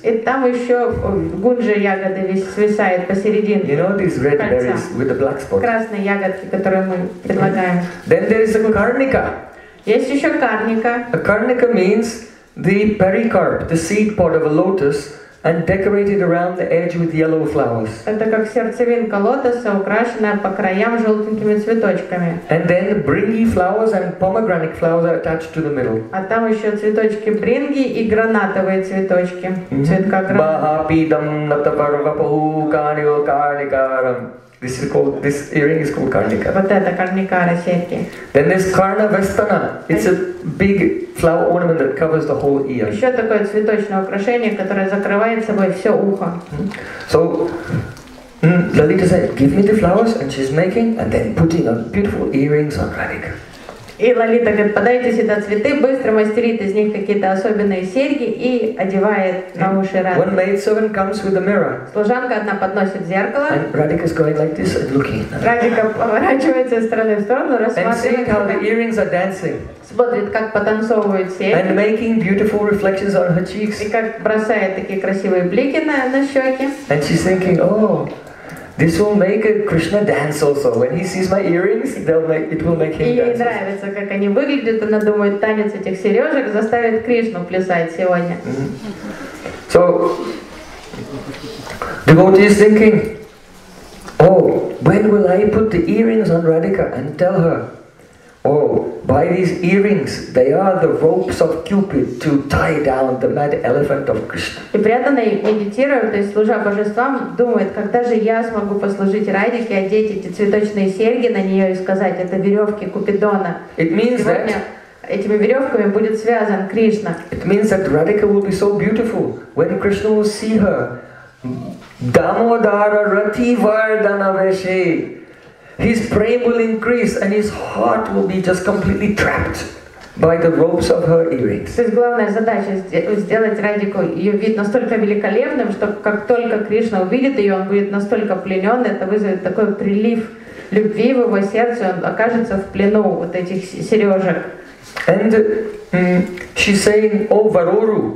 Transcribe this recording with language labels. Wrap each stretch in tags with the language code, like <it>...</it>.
<ru>И там еще гунжа ягоды свисает посередине.</ru> <en>You know these red berries with the black spot.</en> <ru>Красные ягодки, которые мы предлагаем.</ru> <en>Then there is a karnika.</en> <ru>Есть еще карника.</ru> <en>A karnika means the pericarp, the seed pod of a lotus, and decorated around the edge with yellow flowers.</en> <ru>Это как сердцевинка лотоса, украшенная по краям желтенькими цветочками.</ru> <en>And then bringi flowers and pomegranate flowers are attached to the middle.</en> <ru>А там еще цветочки бринги и гранатовые цветочки. Цветка гранатовая.</ru> <en>This earring is called karnika.</en> <ru>Вот это карникара серьги.</ru> <en>Then there's karnavestana. It's a big flower ornament that covers the whole ear.</en> <ru>Еще такое цветочное украшение, которое закрывает собой все ухо.</ru> <en>So Lalita said, "Give me the flowers," and she's making, and then putting on beautiful earrings on Radhika.</en> <ru>И Лалита говорит, подайте сюда цветы, быстро мастерит из них какие-то особенные серьги и одевает на уши Радхи.</ru> <en>One maidservant comes with a mirror.</en> <ru>Служанка одна подносит зеркало.</ru> <en>Radhika is going like this and looking.</en> <ru>Радика поворачивается из стороны в сторону, рассматривает.</ru> <en>And seeing how the earrings are dancing.</en> <ru>Смотрит, как потанцовывают серьги.</ru> <en>And making beautiful reflections on her cheeks.</en> <ru>И как бросает такие красивые блики на щеки.</ru> <en>And she's thinking, oh. This will make a Krishna dance also. When he sees my earrings, it will make him dance.</en> <ru>И ей нравится, как они выглядят. Она думает, танец этих сережек заставит Кришну плясать сегодня.</ru> <en>So, devotee is thinking, oh, when will I put the earrings on Radhika and tell her, oh, by these earrings, they are the ropes of Cupid to tie down the mad elephant of Krishna.</en> <ru>И преданный медитирует, то есть служа божествам, думает, когда же я смогу послужить Радике, одеть эти цветочные серьги на нее и сказать, это веревки Купидона.</ru> <en>It means that</en> <ru>этими веревками будет связан Кришна.</ru> <en>It means that Radhika will be so beautiful when Krishna will see her.</en> <sa>Damodara Rati Vardana Veshe.</sa> <en>His prayer will increase, and his heart will be just completely trapped by the ropes of her earrings.</en> <ru>То есть главная задача сделать Радику ее вид настолько великолепным, что как только Кришна увидит ее, он будет настолько пленен, это вызовет такой прилив любви в его сердце, он окажется в плену вот этих сережек.</ru> <en>And she's saying, "Oh, Varuru!</en>